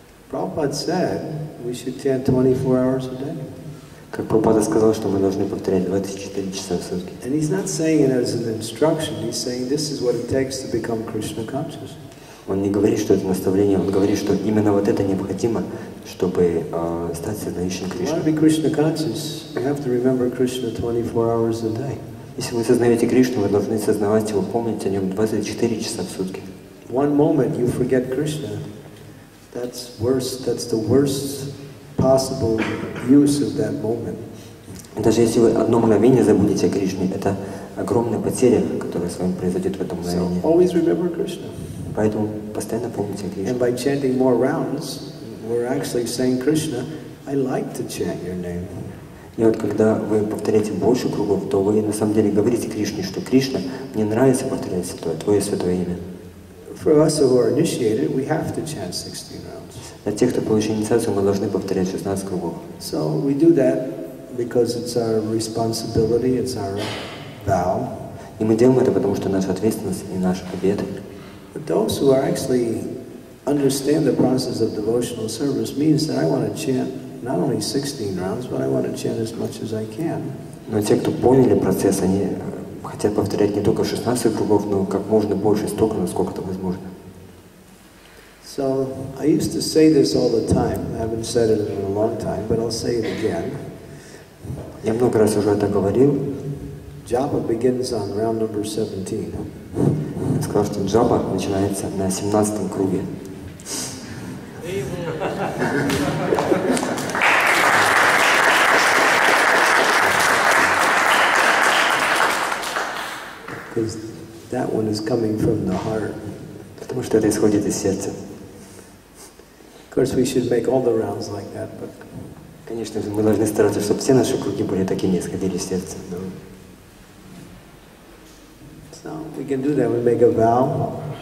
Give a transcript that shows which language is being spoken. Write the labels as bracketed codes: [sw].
[en] Prabhupada said we should chant 24 hours a day. [ru] Как Прабхупада сказал, что мы должны повторять 24 часа в сутки. [en] And he's not saying it as an instruction. He's saying this is what it takes to become Krishna conscious. [ru] Он не говорит, что это наставление. Он говорит, что именно вот это необходимо, чтобы стать сознающим Кришной. [en] If you want to be Krishna conscious, you have to remember Krishna 24 hours a day. [ru] Если вы сознаете Кришну, вы должны сознавать его, помнить о нем 24 часа в сутки. [en] One moment you forget Krishna. That's worse. That's the worst possible use of that moment. [ru] Даже если вы одно мгновение забудете о Кришне, это огромная потеря, которая с вами произойдет в этом мгновении. [en] So always remember Krishna. [ru] Поэтому постоянно помните о Кришне. [en] And by chanting more rounds, we're actually saying, Krishna, I like to chant your name. [ru] И вот когда вы повторяете больше кругов, то вы на самом деле говорите Кришне, что Кришна, мне нравится повторять твое святое имя. [en] For us who are initiated, we have to chant 16 rounds. [ru] Для тех, кто получил инициацию, мы должны повторять 16 кругов. [en] So we do that because it's our responsibility, it's our vow. [ru] И мы делаем это потому, что наша ответственность и наша обет. [en] But those who are actually understand the process of devotional service means that I want to chant not only 16 rounds, but I want to chant as much as I can. [ru] Но те, кто поняли процесс, они хотят повторять не только 16 кругов, но как можно больше, столько, насколько это возможно. [en] So, I used to say this all the time. I haven't said it in a long time, but I'll say it again. [ru] Я много раз уже это говорил. [en] Japa begins on round number 17. [ru] Я сказал, что джапа начинается на 17 круге. [en] Because that one is coming from the heart. [ru] Потому что это исходит из сердца. [en] Of course, we should make all the rounds like that, but. [ru] Конечно, мы должны стараться, чтобы все наши круги были такими, исходили из сердца. [en] So we can do that. We make a vow.